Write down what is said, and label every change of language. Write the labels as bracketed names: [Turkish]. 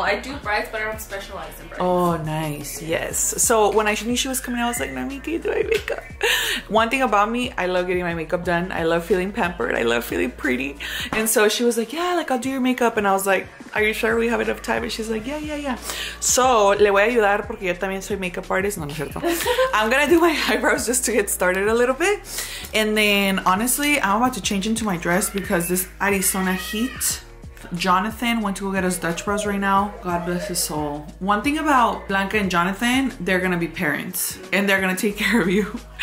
[English] I do brides, but I don't specialize in brides. Oh, nice. Yes. So when I knew she was coming, I was like, Noemi, can you do my makeup? One thing about me, I love getting my makeup done. I love feeling pampered. I love feeling pretty. And so she was like, yeah, like I'll do your makeup. And I was like, are you sure we have enough time? And she's like, yeah, yeah, yeah. [Spanish] So le voy a ayudar porque yo también soy makeup artist. No, no es cierto. [English] I'm going to do my eyebrows just to get started a little bit. And then honestly, I'm about to change into my dress because this Arizona heat. Jonathan went to go get us Dutch Bros right now. God bless his soul. One thing about Blanca and Jonathan, they're gonna be parents and they're gonna take care of you.